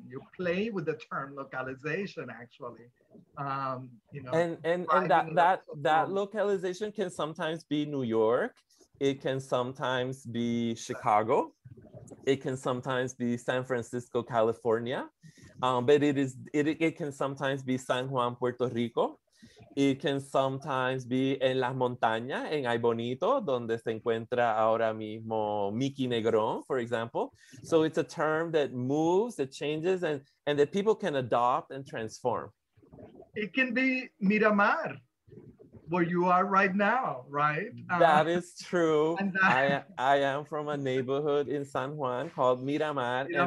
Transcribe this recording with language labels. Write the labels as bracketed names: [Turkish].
[English] You play with the term localization, actually. And that localization can sometimes be New York. It can sometimes be Chicago. It can sometimes be San Francisco, California. But it can sometimes be San Juan, Puerto Rico. It can sometimes be [Spanish] en las montañas, en Ay Bonito, donde se encuentra ahora mismo Mickey Negrón, [English] for example. So it's a term that moves, that changes, and that people can adopt and transform. It can be Miramar, where you are right now, right? That is true. I am from a neighborhood in San Juan called Miramar.